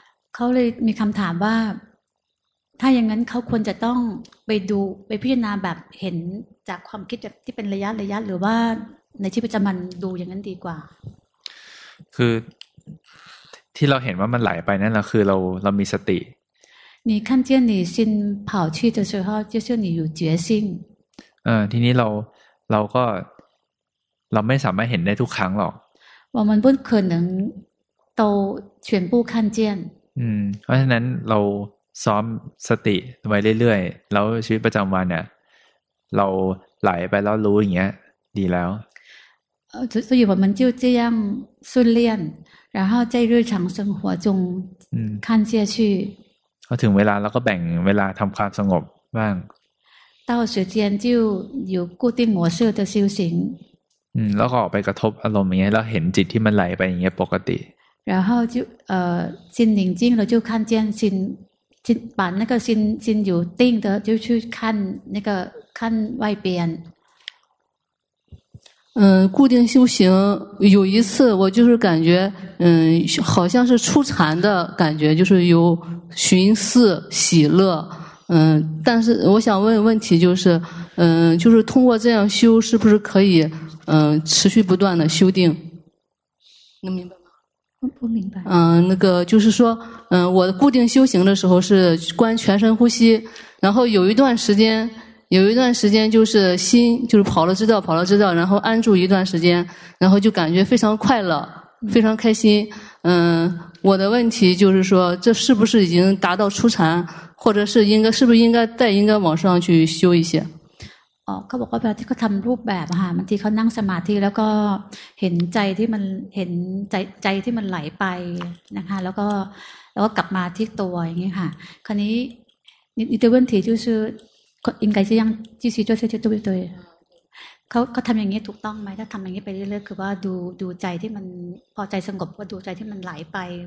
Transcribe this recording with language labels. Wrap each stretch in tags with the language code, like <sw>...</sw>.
<th>เขาเลยมีคำถามว่าถ้าอย่างนั้นเขาควรจะต้องไปพิจารณาแบบเห็นจากความคิดที่เป็นระยะหรือว่าในชีวิตประจำวันดูอย่างนั้นดีกว่า คือที่เราเห็นว่ามันไหลไปนั่นแหละคือเรามีสติ</th> <zh>你看见你心跑去的时候就是你有觉性</zh> <th>ทีนี้เราไม่สามารถเห็นได้ทุกครั้งหรอก</th> <zh>我们不可能都全部看见</zh> <th>เพราะฉะนั้นเราซ้อมสติไว้เรื่อยๆแล้วชีวิตประจำวันเนี่ยเราไหลไปแล้วรู้อย่างเงี้ยดีแล้ว</th> <zh>所以我们就这样训练然后在日常生活中看下去</zh> <th>พอถึงเวลาเราก็แบ่งเวลาทำความสงบบ้าง</th> <zh>到时间就有固定模式的修行</zh> <th>แล้วก็ออกไปกระทบอารมณ์อย่างเงี้ยแล้วเห็นจิตที่มันไหลไปอย่างเงี้ยปกติ</th> <zh>然后就心宁静了就看见心把那个心有定的就去看那个看外边固定修行有一次我就是感觉好像是出禅的感觉就是有寻思喜乐但是我想问问题就是通过这样修是不是可以持续不断的修定能明白吗不明白就是说我固定修行的时候是观全身呼吸然后有一段时间就是心就是跑了知道然后安住一段时间然后就感觉非常快乐非常开心我的问题就是说这是不是已经达到初禅或者是应该是不是应该再应该往上去修一些</zh> <th>เขาบอกว่าแบบที่เขาทำรูปแบบค่ะบางทีเขานั่งสมาธิแล้วก็เห็นใจที่มันเห็นใจที่มันไหลไปนะคะแล้วก็กลับมาที่ตัวอย่างนี้ค่ะคราวนี้นิดๆ</th> <zh>问题就是应该这样继续做下去对不对</zh> <th>เขาทำอย่างนี้ถูกต้องไหมถ้าทำอย่างนี้ไปเรื่อยๆคือว่าดูใจที่มันพอใจสงบว่าดูใจที่มันไหลไป</th>